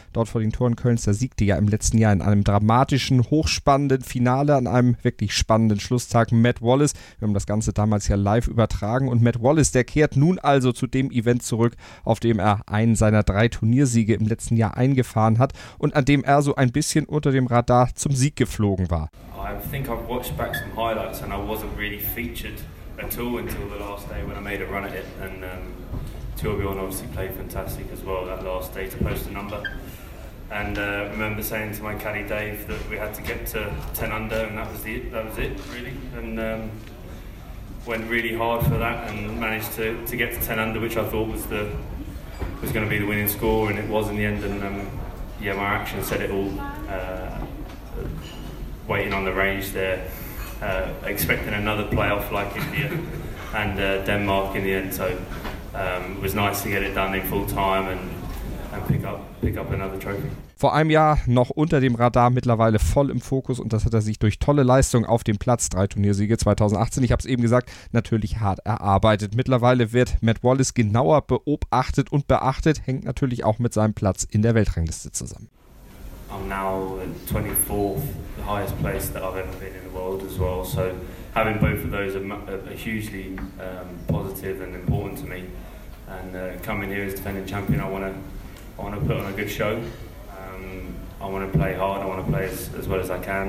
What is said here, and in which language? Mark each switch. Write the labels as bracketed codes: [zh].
[de] Dort vor den Toren Kölns, da siegte ja im letzten Jahr in einem dramatischen, hochspannenden Finale an einem wirklich spannenden Schlusstag Matt Wallace. Wir haben das Ganze damals ja live übertragen und Matt Wallace, der kehrt nun also zu dem Event zurück, auf dem er einen seiner drei Turniersiege im letzten Jahr eingefahren hat und an dem er so ein bisschen unter dem Radar zum Sieg geflogen war. [en] I think I've watched back some highlights and I wasn't really featured at all until the last day when I made a run at it. And Torbjörn obviously played fantastic as well that last day to post a number. And I remember saying to my caddy Dave that we had to get to 10 under and that was it really. And went really hard for that and managed to get to 10 under, which I thought was going to be the winning score, and it was in the end. And yeah, my action said it all. Waiting on the range there, expecting another playoff like India and Denmark in the end. So it was nice to get it done in full time and pick up another trophy. [de] Vor einem Jahr noch unter dem Radar, mittlerweile voll im Fokus und das hat er sich durch tolle Leistungen auf dem Platz, 3 Turniersiege 2018, ich habe es eben gesagt, natürlich hart erarbeitet. Mittlerweile wird Matt Wallace genauer beobachtet und beachtet, hängt natürlich auch mit seinem Platz in der Weltrangliste zusammen. [en] I'm now 24th, the highest place that I've ever been in the world as well, so having both of those are hugely positive and important to me, and coming here as defending champion, I want to I want to put on a good show. I want to play hard. I want to play as well as I can.